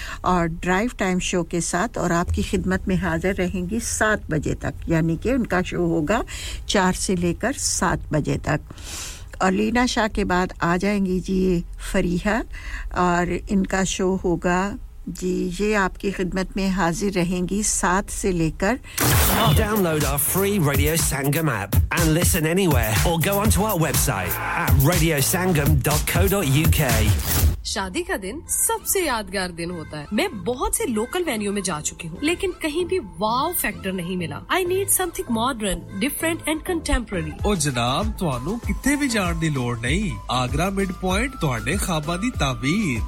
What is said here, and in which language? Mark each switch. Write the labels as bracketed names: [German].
[Urdu] اور drive time شو کے ساتھ اور آپ کی خدمت میں حاضر رہیں گی 7 بجے تک یعنی کہ ان کا شو ہوگا 4 سے لے کر 7 بجے تک اور لینا شاہ کے بعد آ جائیں گی جی فریحہ اور ان کا شو ہوگا جی یہ آپ کی خدمت میں حاضر رہیں گی 7 سے لے کر [English] Download our free Radio Sangam app and listen anywhere or go onto our website at radiosangam.co.uk [Urdu] شادی کا دن سب سے یادگار دن ہوتا ہے میں بہت سے لوکل وینیو میں جا چکی ہوں لیکن کہیں بھی واو فیکٹر نہیں ملا [English] I need something modern, different and contemporary [Punjabi] او جناب توانو کتے بھی جان دی لوڑ نہیں آگرہ مڈ پوائنٹ توانے خوابہ دی تعبیر